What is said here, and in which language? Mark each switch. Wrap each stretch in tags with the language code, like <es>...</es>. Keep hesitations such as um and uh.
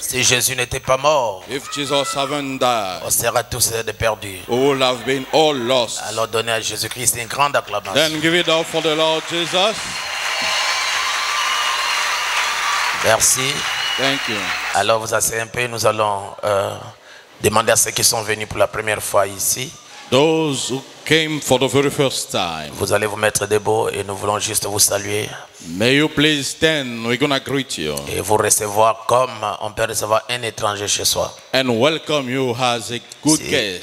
<fr>Si Jésus n'était pas mort,</fr> <en>If Jesus died,</en> <fr>on serait tous perdus.</fr> <en>have been all lost.</en> <fr>Alors donnez à Jésus-Christ une grande acclamation.</fr> <en>Then give it all for the Lord Jesus.</en> <fr>Merci.</fr> <en>Thank you.</en> <fr>Alors vous asseyez un peu, nous allons demander à ceux qui sont venus pour la première fois ici.</fr> <en>Those who came for the very first time.</en> <fr>Vous allez vous mettre debout et nous voulons juste vous saluer</fr> <en>May you please stand. We're gonna greet you.</en> <fr>Et vous recevoir comme on peut recevoir un étranger chez soi.</fr> <en>And welcome you has a good si, guest.</en>